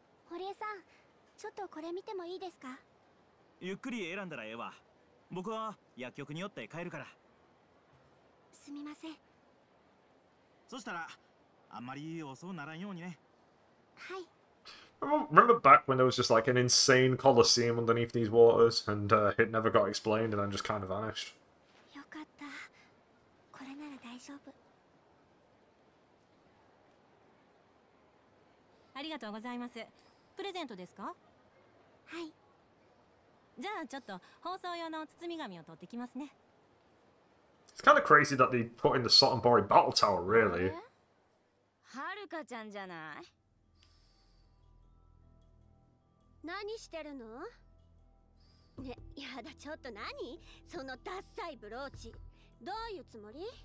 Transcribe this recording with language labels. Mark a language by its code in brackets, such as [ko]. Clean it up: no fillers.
[ja] 堀江さん、ちょっとこれ見てもいいですか。ゆっくり選んだらええわ。僕は薬局に寄って帰るから。すみません。そしたら、あんまり遅うならんようにね。はい。 [en] Remember back when there was just like an insane coliseum underneath these waters and、it never got explained and then just kind of vanished。 [ja] よかった、これなら大丈夫。ありがとうございます。プレゼントですか？はい。じゃあちょっと放送用の包み紙を取ってきますね。 [en] It's kind of crazy that they put in the Sottenbori Battle Tower, really. [ja] はるかちゃんじゃない？何してるの？ね、やだちょっと何？そのダッサいブローチ。どういうつもり？